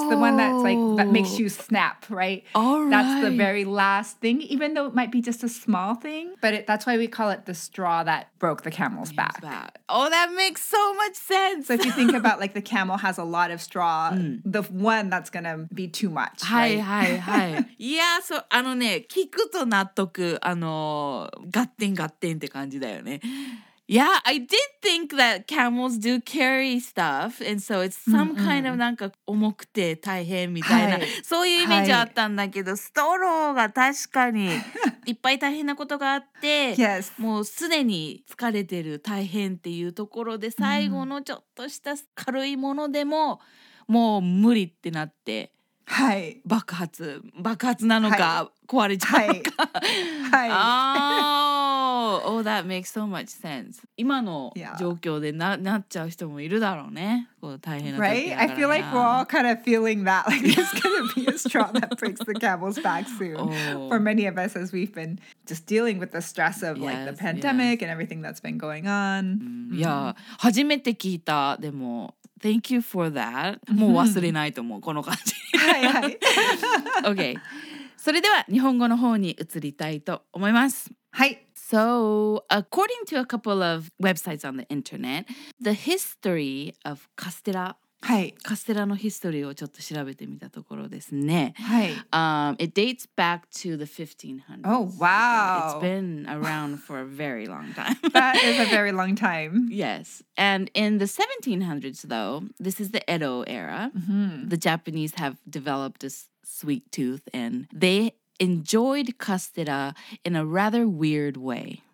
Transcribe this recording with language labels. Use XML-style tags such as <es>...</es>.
<en>it's the one that's like, that makes you snap, right? All right. That's the very last thing, even though it might be just a small thing, but that's why we call it the straw that broke the camel's back. Oh, that makes so much sense. So if you think about like the camel has a lot of straw, mm. the one that's gonna be too much.</en> <ja>はい、</ja> <en>right?</en> <ja>はいはい。いや、そう、あのね、聞くと納得、あの、ガッテンガッテンって感じだよね。</ja> <en>Yeah, I did think that camels do carry stuff, and so it's some mm-hmm. kind of</en> <ja>なんか重くて大変みたいな、はい、そういうイメージあったんだけど、はい、ストローが確かにいっぱい大変なことがあって、</ja> <en>yes.</en> <ja>もうすでに疲れてる大変っていうところで、最後のちょっとした軽いものでも、もう無理ってなって、はい、爆発なのか、はい、壊れちゃうのか、はい、はい、</ja> <en>あー、おthat makes so much sense.</en> <ja>今の状況でなっちゃう人もいるだろうね。こう大変な時だから</ja> <en>な。Right? I feel like we're all kind of feeling that. Like it's going to be a straw that breaks the camel's back soon. Oh. For many of us as we've been just dealing with the stress of like the pandemic and everything that's been going on. Yeah,</en> <ja>初めて聞いた。でも、</ja> <en>Thank you for that.</en> <ja>もう忘れないと思う。この感じ。はいはい。</ja> <en>Okay.</en> <ja>それでは日本語の方に移りたいと思います。はい。</ja> <en>So, according to a couple of websites on the internet, the history of カステラ、</en> <ja>はい、カステラのヒストリーをちょっと調べてみたところですね。はい。</ja> <en>It dates back to the 1500s. Oh, wow! It's been around for a very long time. That is a very long time. Yes. And in the 1700s, though, this is the Edo era.、 Mm-hmm. The Japanese have developed a sweet tooth, and they enjoyed castera in a rather weird way.</en>